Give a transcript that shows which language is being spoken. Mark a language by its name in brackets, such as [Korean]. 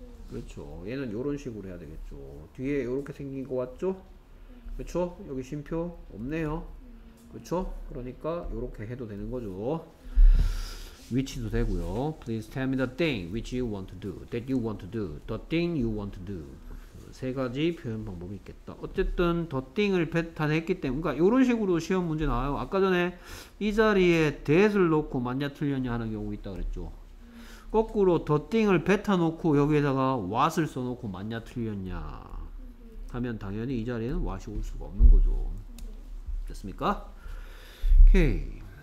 [Korean] 그렇죠. 얘는 요런 식으로 해야 되겠죠. 뒤에 요렇게 생긴 거 왔죠? 그렇죠? 여기 쉼표 없네요. 그렇죠? 그러니까 요렇게 해도 되는 거죠. Which도 되고요. [English] Please tell me the thing which you want to do, that you want to do, the thing you want to do. [Korean] 세 가지 표현 방법이 있겠다. 어쨌든 the thing을 배타냈기 때문에, 그러니까 요런 식으로 시험 문제 나와요. 아까 전에 이 자리에 that을 놓고 맞냐 틀렸냐 하는 경우 있다 그랬죠. 거꾸로 the thing을 뱉어놓고 여기에다가 what을 써놓고 맞냐 틀렸냐 하면 당연히 이 자리에는 what이 올 수가 없는 거죠. 됐습니까? Okay.